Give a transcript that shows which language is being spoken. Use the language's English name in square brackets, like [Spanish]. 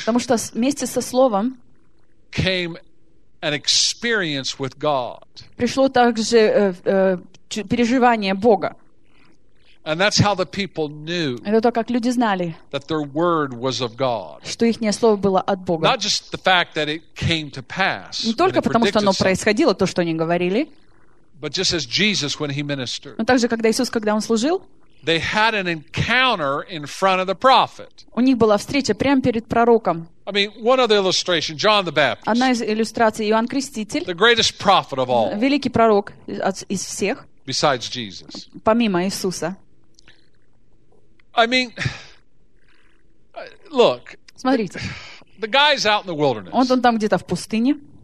[Russian] Потому что вместе со словом. [English] Came an experience with God. [Russian] Пришло также переживание Бога. [English] And that's how the people knew. [Russian] Это то, как люди знали. [English] That their word was of God. [Russian] Что ихнее слово было от Бога. [English] Not just the fact that it came to pass. [Russian] Не только потому, что оно происходило, то, что они говорили. [English] But just as Jesus when he ministered. [Russian] Но так же, когда Иисус, когда он служил. [English] They had an encounter in front of the prophet. [Russian] У них была встреча прямо перед пророком. [English] I mean, one other illustration, John the Baptist. [Russian] Одна из иллюстраций, Иоанн Креститель. [English] The greatest prophet of all. [Russian] Великий пророк из всех. [English] Besides Jesus. [Russian] Помимо Иисуса. [English] I mean, look. [Russian] Смотрите. [English] The guy's out in the wilderness. [Russian] Он там где-то в пустыне.